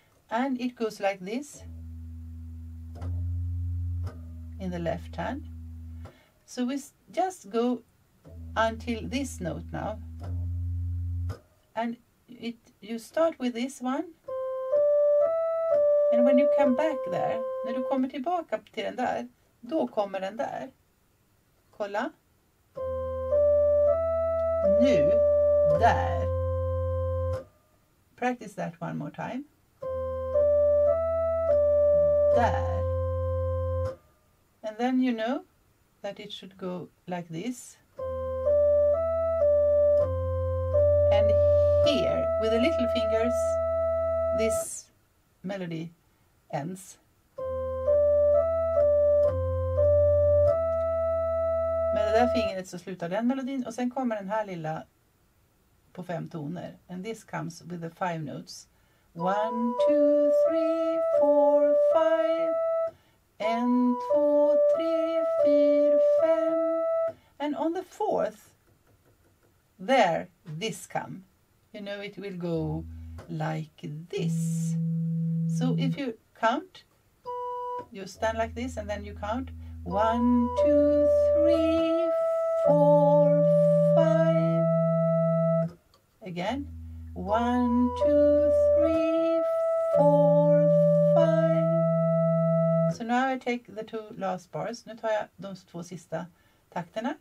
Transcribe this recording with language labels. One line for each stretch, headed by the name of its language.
English: And it goes like this in the left hand. So we just go until this note now. And you start with this one. And when you come back there,
Swedish: när du kommer tillbaka till den där, då kommer den där. Kolla. Nu, där.
English: Practice that one more time.
Swedish: Där.
English: And then you know that it should go like this. And here, with the little fingers, this melody ends.
Swedish: Med det där fingret så slutar den melodin och sen kommer den här lilla på fem toner.
English: And this comes with the five notes. One, two, three, four, five.
Swedish: En, två, tre, fyra, fem.
English: And on the fourth, there, this come. You know, it will go like this. So if you count, you stand like this and then you count. One, two, three, four, five. Again. One, two, three, four, five. So now I take the two last bars.
Swedish: Nu tar jag de två sista takterna.